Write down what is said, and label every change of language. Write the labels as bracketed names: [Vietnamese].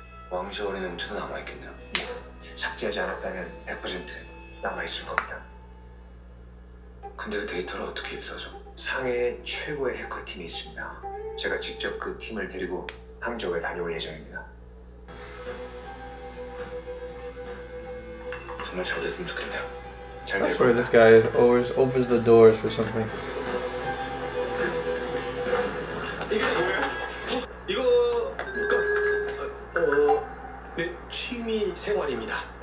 [Korean] 왕셔울인 음투도 남아 있겠네요. 삭제하지 않았다면 100% 남아 있을 겁니다. 근데 데이터를 어떻게 입수하죠? 상해의 최고의 해커팀이 있습니다. 제가 직접 그 팀을 데리고 항저우에 다녀올 예정입니다. 정말 잘 됐으면 좋겠네요. [English] I swear this guy is always opens the doors for something. [Korean] 이거 내 취미 생활입니다.